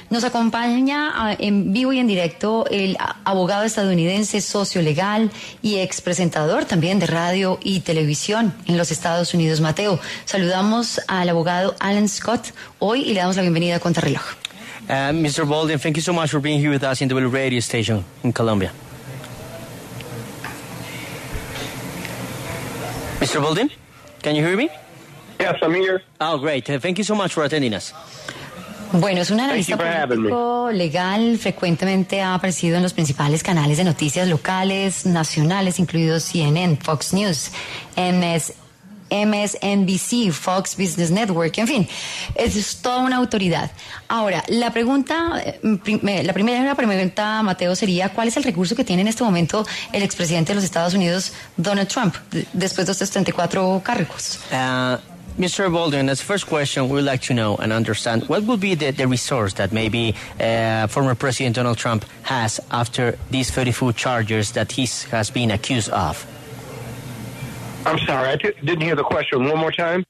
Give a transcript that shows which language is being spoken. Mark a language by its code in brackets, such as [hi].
[es] Nos acompaña en vivo y en directo el abogado estadounidense, socio legal y expresentador también de radio y televisión en los Estados Unidos, Mateo. Saludamos al abogado Alan Scott hoy y le damos la bienvenida a Contrarreloj. [en] Mr. Bolden, thank you so much for being here with us in the radio station in Colombia. Mr. Bolden, can you hear me? Yes, I'm here. Oh, great. Thank you so much for attending us. [es] Bueno, es un analista político legal, frecuentemente ha aparecido en los principales canales de noticias locales, nacionales, incluidos CNN, Fox News, MSNBC, Fox Business Network, en fin, es toda una autoridad. Ahora, la primera pregunta, Mateo, sería, ¿cuál es el recurso que tiene en este momento el expresidente de los Estados Unidos, Donald Trump, después de estos 34 cargos? [en] Mr. Bolden, as first question, we'd like to know and understand what would be the resource that maybe former President Donald Trump has after these 34 charges that he has been accused of? I'm sorry, I didn't hear the question. One more time.